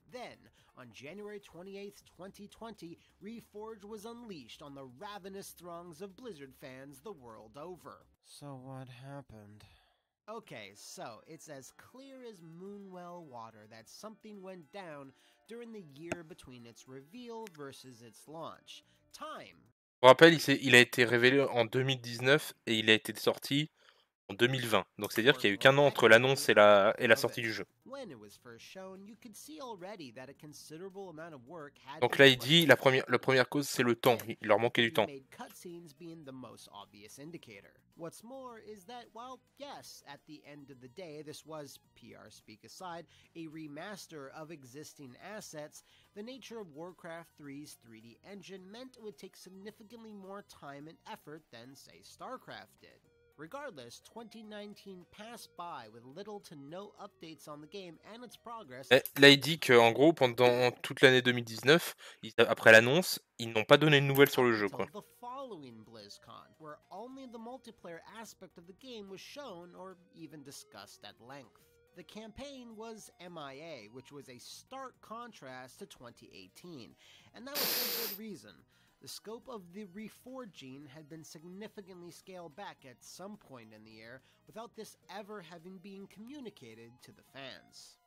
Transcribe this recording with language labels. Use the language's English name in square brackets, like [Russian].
[English] Then, on January 28th, 2020, Reforged was unleashed on the ravenous throngs of Blizzard fans the world over. So what happened? Okay, so it's as clear as moonwell water that something went down during the year between its reveal versus its launch. Time. [French] Pour rappel, il a été révélé en 2019 et il a été sorti en 2020. Donc c'est-à-dire qu'il n'y a eu qu'un an entre l'annonce et la sortie du jeu. [English] When it was first shown, you could see already that a considerable amount of work had. [French] Donc là, il dit la première cause, c'est le temps. Il leur manquait du temps. [English] Cutscenes being the most obvious indicator. What's more is that, well, yes, at the end of the day, this was, PR speak aside, a remaster of existing assets. The nature of Warcraft 3's 3D engine meant it would take significantly more time and effort than, say, StarCraft did. Regardless, 2019 passed by with little to no updates on the game and its progress. [French] Là, il dit qu'en gros, pendant toute l'année 2019, après l'annonce, ils n'ont pas donné de nouvelles sur le jeu, quoi. [English] The following BlizzCon, where only the multiplayer aspect of the game was shown or even discussed at length. The campaign was MIA, which was a stark contrast to 2018, and that was for good reason. The scope of the reforging had been significantly scaled back at some point in the year, without this ever having been communicated to the fans.